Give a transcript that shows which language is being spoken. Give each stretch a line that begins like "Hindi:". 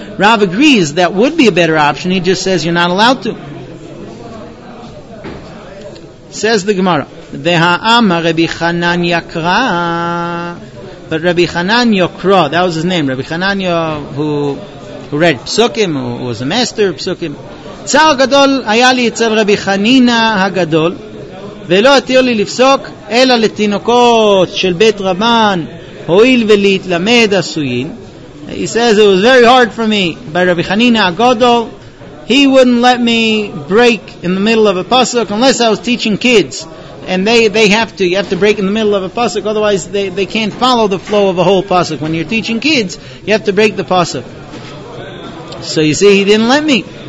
English: Rav agrees that would be a better option. He just says you're not allowed to. Says the Gemara, Deha'ama Rabbi Hanan Yakra. But Rabbi Hanan Yokra, that was his name, Rabbi Hanan Yo, who read Psukim, who was a master of Psukim.
Hebrew: צער גדול היה לי אצל רבי חנינה הגדול ולא התיר לי לפסוק אלא לתינוקות של בית רבן הועיל ולהתלמד עשויים.
English: He says it was very hard for me by Rabbi Hanina HaGadol. He wouldn't let me break in the middle of a pasuk unless I was teaching kids, and they have to, you have to break in the middle of a pasuk, otherwise they can't follow the flow of a whole pasuk. When you're teaching kids, you have to break the pasuk. So you see, he didn't let me.